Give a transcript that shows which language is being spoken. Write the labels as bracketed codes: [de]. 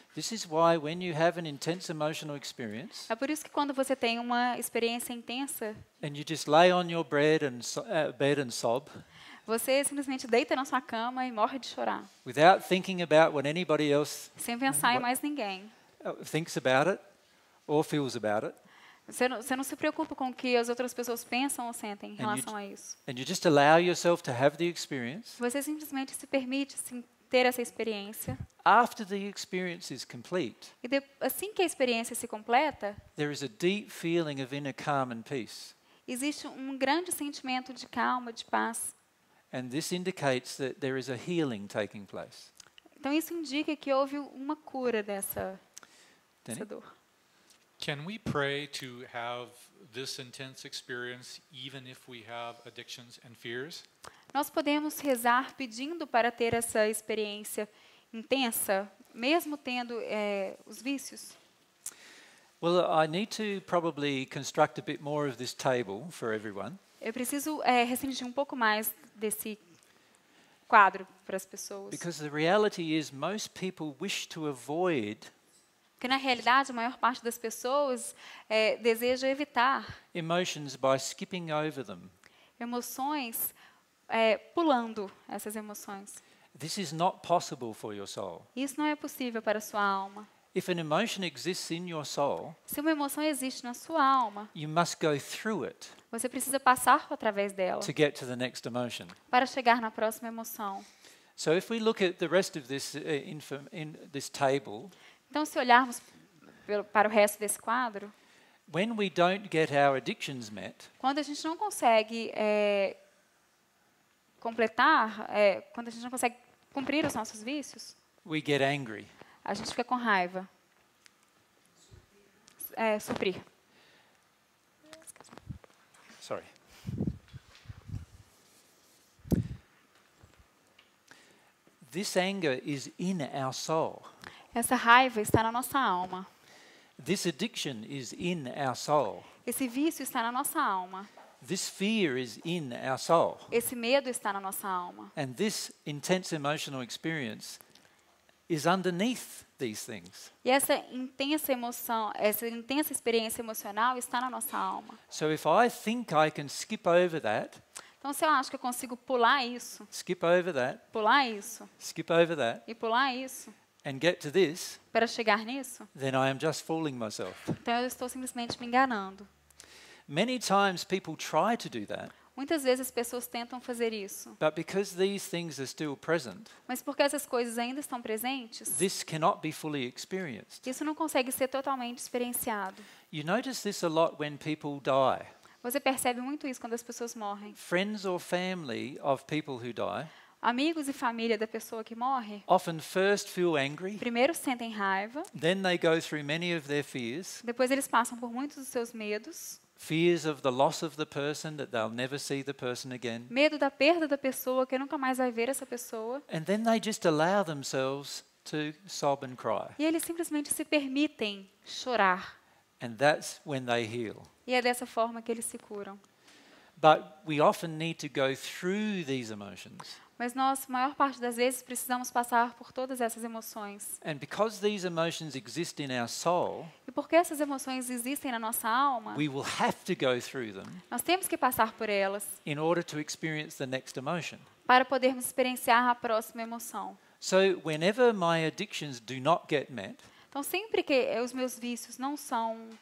[en] This is why when you have an intense emotional experience. [pt] É por isso que quando você tem uma experiência intensa. [en] And you just lay on your bed and sob. [pt] Você simplesmente deita na sua cama e morre de chorar. [en] Without thinking about what anybody else. [pt] Sem pensar em mais ninguém. [en] Thinks about it or feels about it. [pt] Você não se preocupa com o que as outras pessoas pensam ou sentem em relação a isso. [en] And you just allow yourself to have the experience. [pt] Você simplesmente se permite ter essa experiência. [en] After the experience is complete. [pt] E assim que a experiência se completa, [en] there is a deep feeling of inner calm and peace. [pt] Existe um grande sentimento de calma, de paz. [en] And this indicates that there is a healing taking place. [pt] Então isso indica que houve uma cura dessa dor. [en] Can we pray to have this intense experience even if we have addictions and fears? [pt] Nós podemos rezar pedindo para ter essa experiência intensa mesmo tendo os vícios? [en] Well, I need to probably construct a bit more of this table for everyone. [pt] Eu preciso restringir um pouco mais desse quadro para as pessoas. [en] Because the reality is most people wish to avoid. [pt] Porque, na realidade, a maior parte das pessoas deseja evitar [en] emotions by skipping over them. [pt] Emoções pulando essas emoções. [en] This is not possible for your soul. [pt] Isso não é possível para a sua alma. [en] If an emotion exists in your soul, [pt] se uma emoção existe na sua alma, [en] you must go through it. [pt] Você precisa passar através dela [en] to get to the next emotion. [pt] Para chegar na próxima emoção. [en] So if we look at the rest of this in this table. [pt] Então se olharmos para o resto desse quadro. [en] When we don't get our addictions met. [pt] Quando a gente não consegue completar, quando a gente não consegue cumprir os nossos vícios. [en] We get angry. [pt] A gente fica com raiva. Suprir. [en] Sorry. This anger is in our soul. [pt] Essa raiva está na nossa alma. [en] This addiction is in our soul. [pt] Esse vício está na nossa alma. [en] This fear is in our soul. [pt] Esse medo está na nossa alma. [en] And this intense emotional experience is underneath these things. [pt] E essa intensa emoção, essa intensa experiência emocional está na nossa alma. [en] So if I think I can skip over that, [pt] então se eu acho que eu consigo pular isso, [en] skip over that, [pt] pular isso, [en] skip over that, [pt] e pular isso, [en] and get to this, [pt] para chegar nisso, [en] then I am just fooling myself. [pt] Então eu estou simplesmente me enganando. [en] Many times people try to do that. [pt] Muitas vezes as pessoas tentam fazer isso. [en] But because these things are still present, [pt] mas porque essas coisas ainda estão presentes, [en] this cannot be fully experienced. [pt] Isso não consegue ser totalmente experienciado. [en] You notice this a lot when people die. [pt] Você percebe muito isso quando as pessoas morrem. [en] Friends or family of people who die, [pt] amigos e família da pessoa que morre, [en] often first feel angry, [pt] primeiro sentem raiva, [en] then they go through many of their fears, [pt] depois eles passam por muitos dos seus medos. [en] Fears of the loss of the person, that they'll never see the person again. [pt] Medo da perda da pessoa, que nunca mais vai ver essa pessoa. [en] And then they just allow themselves to sob and cry. [pt] E eles simplesmente se permitem chorar. [en] And that's when they heal. [pt] E é dessa forma que eles se curam. [en] But we often need to go through these emotions. [pt] Mas nós, a maior parte das vezes, precisamos passar por todas essas emoções. [en] And because these emotions exist in our soul, [pt] e porque essas emoções existem na nossa alma, [en] we will have to go through them, [pt] nós temos que passar por elas [en] in order to experience the next emotion. [pt] Para podermos experienciar a próxima emoção. [en] So whenever my addictions do not get met, [pt] então sempre que os meus vícios não são,